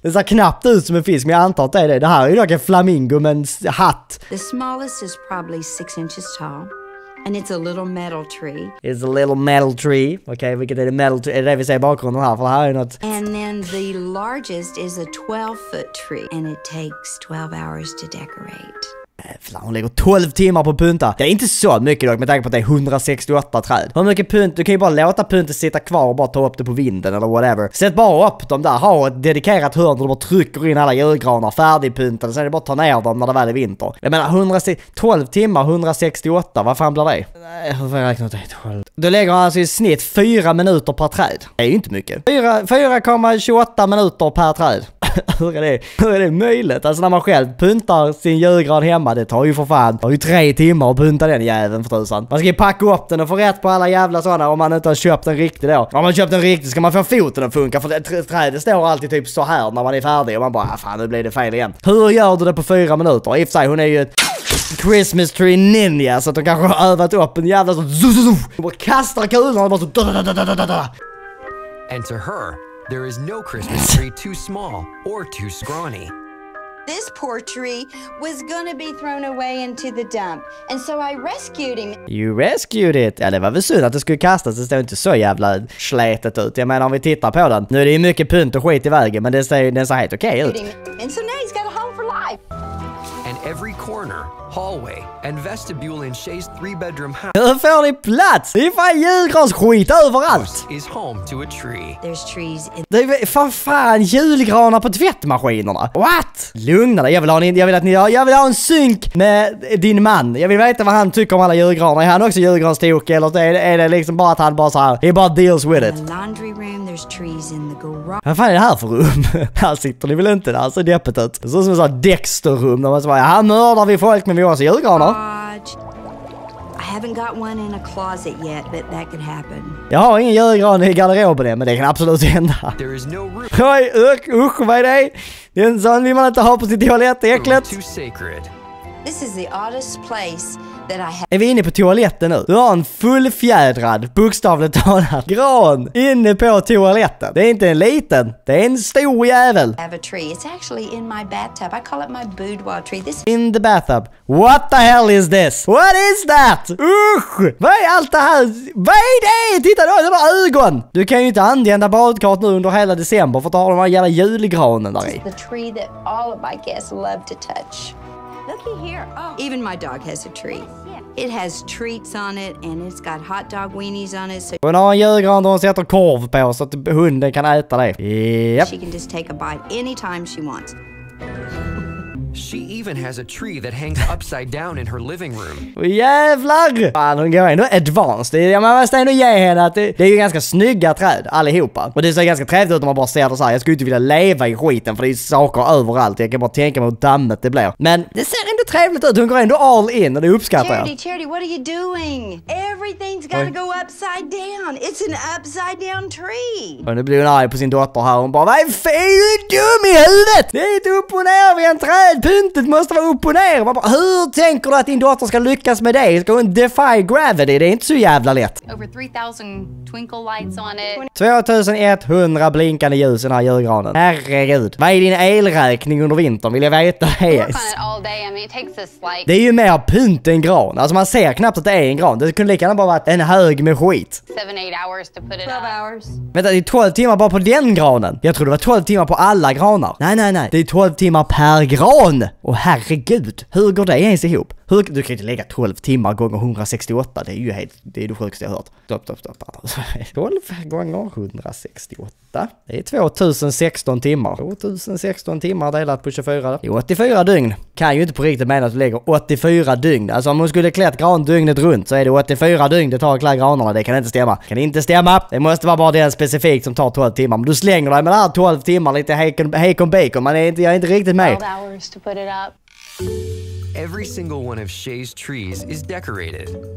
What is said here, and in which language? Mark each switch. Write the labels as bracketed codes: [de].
[sv] Det ser knappt ut som en fisk, men jag antar att det är det. Det här är ju dock en flamingo med en hatt. [en] The smallest is probably 6 inches tall. And it's a little metal tree. It's a little metal tree. [sv] Okay, vilket är det [en] metal tree? [sv] Är det det vi säger bakgrunden här? För det här är något. [en] And then the largest is a 12-foot tree. And it takes 12 hours to decorate. [sv] Jävlar, hon lägger 12 timmar på punta. Det är inte så mycket dock, med tanke på att det är 168 träd. Hur mycket punt? Du kan ju bara låta punten sitta kvar och bara ta upp det på vinden eller whatever. Sätt bara upp dem där, ha ett dedikerat hörn där du bara trycker in alla julgranar färdigpuntade. Sen är det bara att ta ner dem när det väl är vinter. Jag menar, 12 timmar, 168, vad fan blir det? Nej, hur fan räknar det? Du lägger alltså i snitt 4 minuter per träd. Det är ju inte mycket. 4,28 minuter per träd. Hur är det möjligt? Alltså när man själv puntar sin julgran hemma, det tar ju för fan, det tar ju 3 timmar att punta den jäveln för tusan. Man ska ju packa upp den och få rätt på alla jävla sådana om man inte har köpt en riktig då. Om man köpt en riktig ska man få foten att funka, för trädet står alltid typ så här när man är färdig och man bara, ah, fan, nu blir det fel igen. Hur gör du det på 4 minuter? If say, hon är ju ett [en] Christmas tree ninja, [sv] så att de kanske har övat upp en jävla så zuzuzuz. Hon bara kastar kulorna och bara så da. [en] And to her, there is no Christmas tree too small or too scrawny. This poor tree was gonna be thrown away into the dump, and so I rescued him. You rescued it? [sv] Ja, det var väl synd att det skulle kastas. Det ser inte så jävla slätet ut. Jag menar, om vi tittar på den. Nu är det ju mycket punt och skit i vägen, men den ser helt okej ut. [en] And so now he's got a home for life. And every corner, hallway and vestibule in Shay's 3-bedroom house. [sv] Hur får ni plats? Det är fan julgransskit överallt. [en] Is home to a tree. There's trees in. [sv] Det är för fan julgranar på tvättmaskinerna. What? Lugna dig. Jag vill ha en synk med din man. Jag vill veta vad han tycker om alla julgranar. Är han också julgranstok eller är det liksom bara att han bara så här, he bara [en] deals with it. [sv] Laundry room, there's trees in the garage. Vad fan är det här för rum? Här sitter ni väl inte där? Så deppet ut. Det ser ut som ett Dexter-rum. Där man så bara, här mördar vi folk. Men vi har också julgranar. [en] I haven't got one in a closet yet, but that could happen. [sv] Jag har ingen julgran i garderoben, men det kan absolut hända. [en] There is no room. [sv] Oj, usch, vad är det? Det är en sån vi man inte har på sitt toalett, äckligt. [en] Too sacred. This is the oddest place that I have. [sv] Är vi inne på toaletten nu? Du har en fullfjädrad, bokstavligt talat, gran inne på toaletten. Det är inte en liten, det är en stor jävel. [en] I have a tree. It's actually in my bathtub. I call it my boudoir tree. This in the bathtub. What the hell is this? What is that? [sv] Usch! Vad är allt det här? Vad är det? Titta, du har ögon! Du kan ju inte använda badkart nu under hela december för att ha de här jävla julgranen där i. [en] This is the tree that all of my guests love to touch. Looky here. Oh. Even my dog has a tree. It has treats on it and it's got hot dog weenies on it. So [sv] hon har en julgran där hon sätter korv på så att hunden kan äta det. [en] Yep. She can just take a bite anytime she wants. She even has a tree that hangs upside down in her living room. [sv] Jävlar! Fan, hon går ändå advanced. Jag måste ändå ge henne att det är ju ganska snygga träd allihopa. Och det ser ganska trevligt ut om man bara ser det så här. Jag skulle inte vilja leva i skiten för det är saker överallt. Jag kan bara tänka mig hur dammet det blir. Men det ser ändå ser trevligt ut. Hon går ändå all in och det uppskattar jag. Charity, what are you doing? Everything's gotta go upside down. It's an upside down tree. Och nu blir hon arg på sin dotter här. Hon bara, vad är fel? Du är dum i huvudet. Det är inte upp och ner vid en träd. Pyntet måste vara upp och ner. Bara, hur tänker du att din dotter ska lyckas med det? Ska hon [en] defy gravity? [sv] Det är inte så jävla lätt. [en] Over 3000 twinkle lights on it. [sv] 2100 blinkande ljus i den här julgranen. Herregud. Vad är din elräkning under vintern? Vill jag veta det? [en] Yes. I mean, [sv] det är ju mer pynt än gran. Alltså man ser knappt att det är en gran. Det kunde lika gärna bara vara en hög med skit. [en] 7-8 hours to put it up. [sv] Vänta, det är 12 timmar bara på den granen. Jag tror det var 12 timmar på alla granar. Nej. Det är 12 timmar per gran. Och herregud. Hur går det ens ihop? Hur, du kan inte lägga 12 timmar gånger 168. Det är ju helt, det är det sjukaste jag har hört. Stopp. 12 gånger 168. Det är 2016 timmar. 2016 timmar delat på 24. Det är 84 dygn. Kan ju inte på riktigt mena att du lägger 84 dygn. Alltså om hon skulle klätt gran dygnet runt så är det 84 dygn. Det tar att klä granarna. Det kan inte stämma. Kan inte stämma. Det måste vara bara den specifikt som tar 12 timmar. Men du slänger dig med det här 12 timmar lite hejkon bacon. Men jag är inte riktigt med. [en] 12 hours to put it up. Every single one of Shay's trees is decorated.